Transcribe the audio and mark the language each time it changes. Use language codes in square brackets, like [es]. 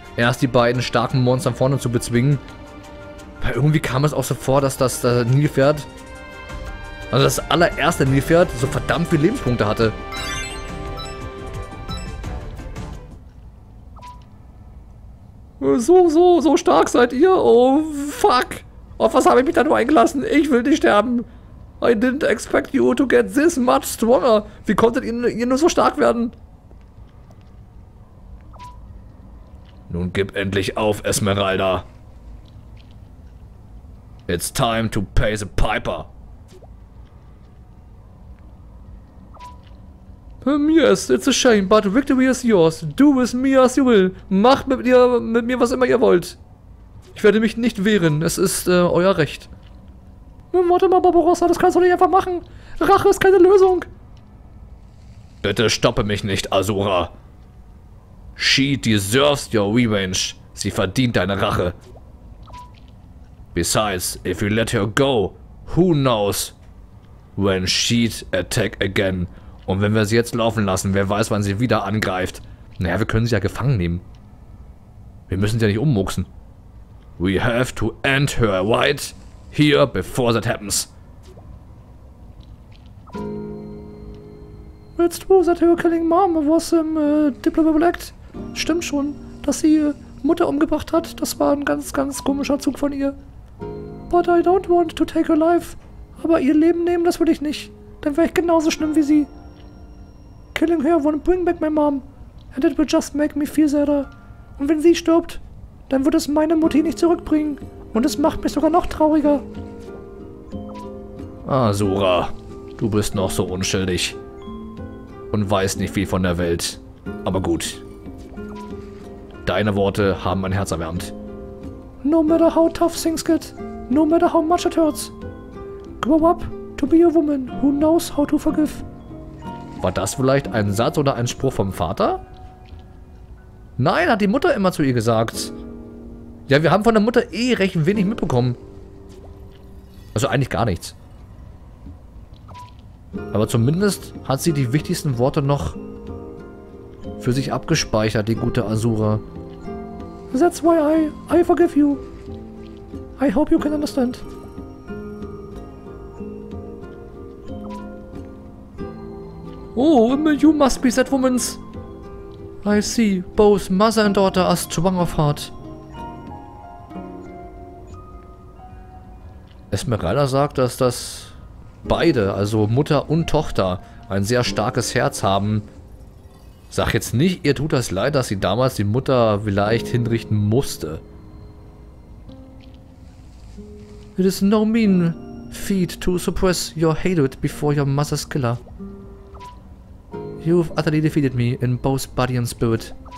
[de] Erst die beiden starken Monster vorne zu bezwingen. Weil irgendwie kam es auch so vor, dass das Nilpferd, also das allererste Nilpferd, so verdammt viele Lebenspunkte hatte. So stark seid ihr? Oh, fuck. Auf was habe ich mich da nur eingelassen? Ich will nicht sterben. [en] I didn't expect you to get this much stronger. [de] Wie konntet ihr nur so stark werden? Nun gib endlich auf, Esmeralda. [en] It's time to pay the piper. Yes, it's a shame, but victory is yours. Do with me as you will. [de] Macht mit mir was immer ihr wollt. Ich werde mich nicht wehren. Es ist euer Recht. Warte mal, Barbarossa, das kannst du nicht einfach machen. Rache ist keine Lösung. Bitte stoppe mich nicht, Azura. [en] She deserves your revenge. [de] Sie verdient deine Rache. [en] Besides, if you let her go, who knows when she'd attack again. [de] Und wenn wir sie jetzt laufen lassen, wer weiß, wann sie wieder angreift. Naja, wir können sie ja gefangen nehmen. Wir müssen sie ja nicht ummuxen. [en] We have to end her, right? Here before that happens. It's true that her killing mom was a diplomatic act. [de] Stimmt schon, dass sie Mutter umgebracht hat. Das war ein ganz, ganz komischer Zug von ihr. [en] But I don't want to take her life. [de] Aber ihr Leben nehmen, das will ich nicht. Dann wäre ich genauso schlimm wie sie. [en] Killing her won't bring back my mom. And it will just make me feel sadder. [de] Und wenn sie stirbt, dann wird es meine Mutti nicht zurückbringen. Und es macht mich sogar noch trauriger. Azura, du bist noch so unschuldig. Und weißt nicht viel von der Welt. Aber gut. Deine Worte haben mein Herz erwärmt. [en] No matter how tough things get, no matter how much it hurts, grow up to be a woman who knows how to forgive. [de] War das vielleicht ein Satz oder ein Spruch vom Vater? Nein, hat die Mutter immer zu ihr gesagt. Ja, wir haben von der Mutter eh recht wenig mitbekommen. Also eigentlich gar nichts. Aber zumindest hat sie die wichtigsten Worte noch für sich abgespeichert, die gute Azura. [en] That's why I forgive you. I hope you can understand. Oh, you must be that woman's. I see, both mother and daughter are strong of heart. [de] Esmeralda sagt, dass das beide, also Mutter und Tochter, ein sehr starkes Herz haben. Sag jetzt nicht, ihr tut das leid, dass sie damals die Mutter vielleicht hinrichten musste. [en] It is no mean feat to suppress your hatred before your mother's killer. You've utterly defeated me in both body and spirit.